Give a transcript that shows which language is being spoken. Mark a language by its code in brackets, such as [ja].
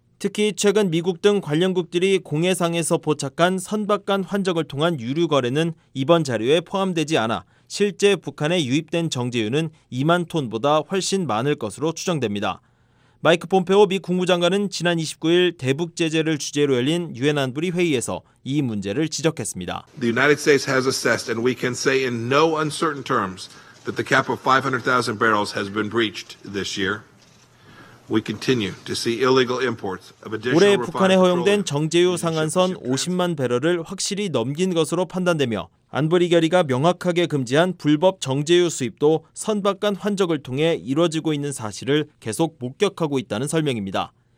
[ko] 특히 최근 미국 등 관련국들이 공해상에서 포착한 선박 간 환적을 통한 유류 거래는 이번 자료에 포함되지 않아 실제 북한에 유입된 정제유는 2만 톤보다 훨씬 많을 것으로 추정됩니다. 마이크 폼페오 미 국무장관은 지난 29일 대북 제재를 주제로 열린 유엔 안보리 회의에서 이 문제를 지적했습니다. [en] The United States has assessed and we can say in no uncertain terms that the cap of 500,000 barrels has been breached this year. We continue to see illegal imports of additional refined petroleum. [ko] 올해 북한에 허용된 정제유 상한선 50만 배럴을 확실히 넘긴 것으로 판단되며 안보리 결의가 명확하게 금지한 불법 정제유 수입도 선박 간 환적을 통해 이루어지고 있는 사실을 계속 목격하고 있다는 설명입니다.